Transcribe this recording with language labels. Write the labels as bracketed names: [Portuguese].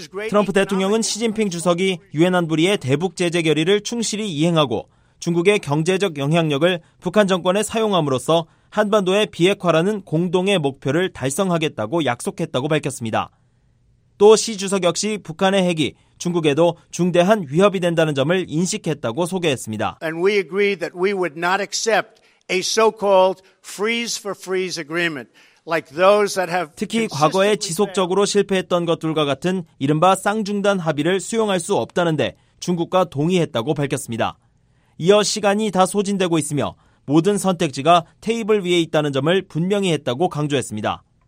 [Korean] 트럼프 대통령은 시진핑 주석이 유엔 안보리의 대북 제재 결의를 충실히 이행하고 중국의 경제적 영향력을 북한 정권에 사용함으로써 한반도의 비핵화라는 공동의 목표를 달성하겠다고 약속했다고 밝혔습니다. 또 시 주석 역시 북한의 핵이 중국에도 중대한 위협이 된다는 점을 인식했다고 소개했습니다. [English] And we agree that we would not accept a so-called freeze for freeze agreement. [Korean] 특히 과거에 지속적으로 실패했던 것들과 같은 이른바 쌍중단 합의를 수용할 수 없다는데 중국과 동의했다고 밝혔습니다. 이어 시간이 다 소진되고 있으며 모든 선택지가 테이블 위에 있다는 점을 분명히 했다고 강조했습니다.